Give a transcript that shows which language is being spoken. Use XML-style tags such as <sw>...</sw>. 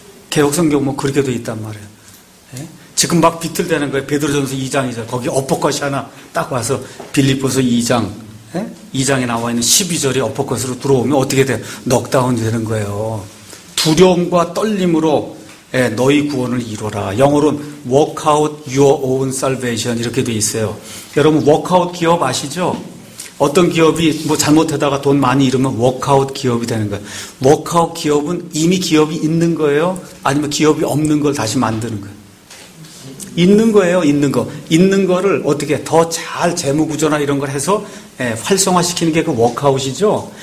<ko>개혁성경 뭐 그렇게 돼 있단 말이에요. 예? 지금 막 비틀대는 거예요. 베드로전서 2장 2절 거기 엇벚꽃이 하나 딱 와서 빌립보서 2장 2장에 나와 있는 12절이 엇벚꽃으로 들어오면 어떻게 돼요? 넉다운 되는 거예요. 두려움과 떨림으로 너희 구원을 이뤄라. 영어로는</ko> <en>Work out your own salvation</en> <ko>이렇게 돼 있어요. 여러분 Work out 기업 아시죠? 어떤 기업이 뭐 잘못하다가 돈 많이 잃으면 Work out 기업이 되는 거예요. Work out 기업은 이미 기업이 있는 거예요? 아니면 기업이 없는 걸 다시 만드는 거예요? 있는 거예요. 있는 거. 있는 거를 어떻게 더 잘 재무구조나 이런 걸 해서 활성화시키는 게 그 워크아웃이죠.</ko>